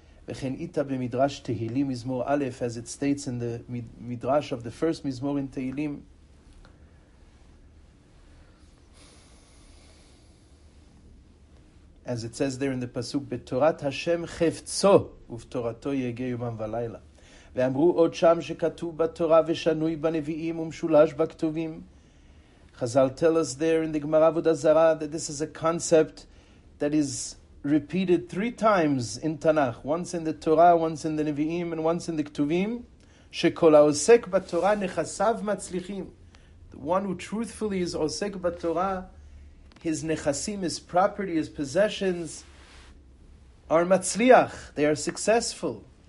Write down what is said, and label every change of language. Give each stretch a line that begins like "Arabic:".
Hebrew: V'chen ita b'midrash Tehilim Mizmor Aleph,
English: as it states in the midrash of the first Mizmor in Tehilim, as it says there in the pasuk,
Hebrew: "Betorat Hashem chefzo uftoratoy yegei yomam v'alayla." ואמרו עוד שם שכתוב בתורה ושנוי בנביאים ומשולש בכתובים.
English: Chazal tell us there in the Gemara Avodah Zarah that this is a concept that is repeated three times in Tanakh, once in the Torah, once in the Nevi'im, and once in the Ketuvim.
Hebrew: Shekol ha'osek b'Torah nechasav matzlichim.
English: The one who truthfully is osek b'Torah, his nechasim, his property, his possessions, are matzliach, they are successful.